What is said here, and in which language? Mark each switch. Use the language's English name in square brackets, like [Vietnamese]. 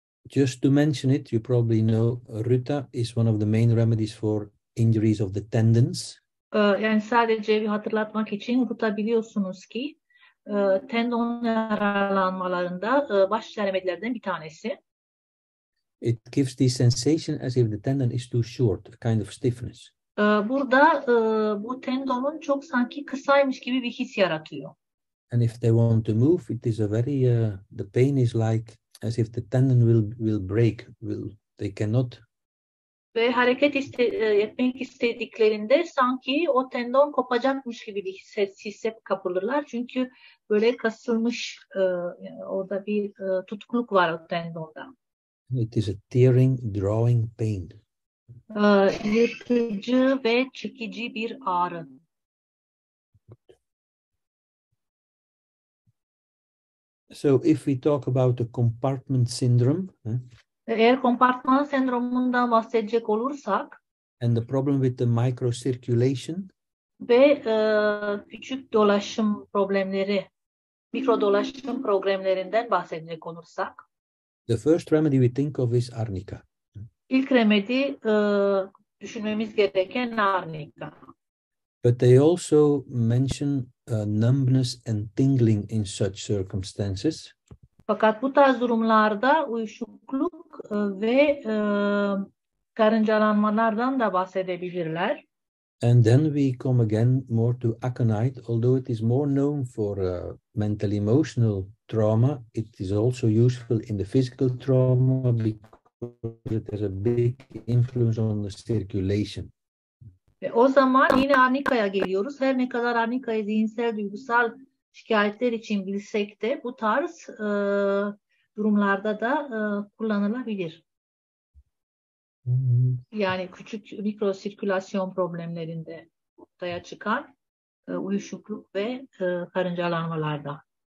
[English] Just to mention it, you probably know Ruta is one of the main remedies for injuries of the tendons. [Turkish] Yani sadece bir hatırlatmak için Ruta biliyorsunuz ki tendon yaralanmalarında baş çaremedilerden bir tanesi. [English] It gives the sensation as if the tendon is too short, a kind of stiffness. [Turkish] Burada bu tendonun çok sanki kısaymış gibi bir his yaratıyor. [English] And if they want to move, it is a very the pain is like as if the tendon will break, will they cannot. [Turkish] Ve hareket etmek istediklerinde sanki o tendon kopacakmış gibi bir hisse kapılırlar. Çünkü böyle kasılmış orada bir tutkuluk var o tendonda. [English] It is a tearing, drawing pain. [Turkish] Yırtıcı ve çekici bir ağrı. [English] So if we talk about the compartment syndrome, [Turkish] eğer kompartman sendromundan bahsedecek olursak [English] and the problem with the microcirculation [Turkish] ve küçük dolaşım problemleri, mikro dolaşım problemlerinden bahsedecek olursak [English] the first remedy we think of is arnica. [Turkish] İlk remedi düşünmemiz gereken arnika. [English] But they also mention numbness and tingling in such circumstances. [Turkish] Fakat bu tarz durumlarda uyuşukluk ve karıncalanmalardan da bahsedebilirler. [English] And then we come again more to aconite, although it is more known for mental emotional trauma, it is also useful in the physical trauma because it has a big influence on the circulation. [Turkish] Ve o zaman yine arnikaya geliyoruz. Her ne kadar arnikayı zihinsel duygusal şikayetler için bilsek de bu tarz durumlarda da kullanılabilir. Yani küçük mikrosirkülasyon problemlerinde ortaya çıkan uyuşukluk ve karıncalanmalarda.